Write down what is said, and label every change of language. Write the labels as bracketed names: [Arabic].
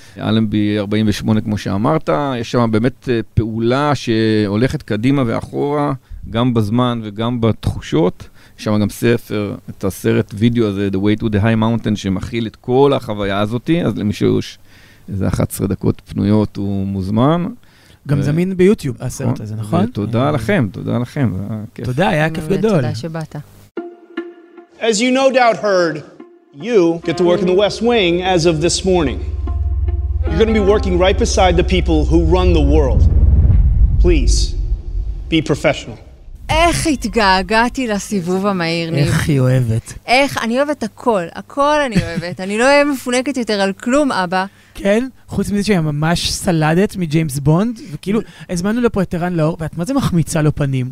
[Hebrew] אלנבי 48, כמו שאמרת, יש שם באמת פעולה שהולכת קדימה ואחורה, גם בזמן וגם בתחושות. יש שם גם ספר, את הסרט וידאו הזה, The Way to the High Mountain, שמכיל את כל החוויה הזאת, אז למי שיש איזה 11 דקות פנויות הוא מוזמן. גם זמין ביוטיוב הסרט הזה, נכון? תודה לכם, תודה לכם. תודה, היה כיף גדול. תודה שבאת. [English] As you no doubt heard, you get to work in the West Wing as of this morning. You're going to be working right beside the people who run the world. Please, be professional. [Hebrew] איך התגעגעתי לסיבוב המהיר, ניב. איך היא אוהבת. איך, אני אוהבת הכל, הכל אני אוהבת. אני לא מפונקת יותר על כלום, אבא. כן, חוץ מזה שהיא ממש סלדת מג'יימס בונד, וכאילו, הזמנו לפה את ערן לאור, ואת מה זה מחמיצה לו פנים?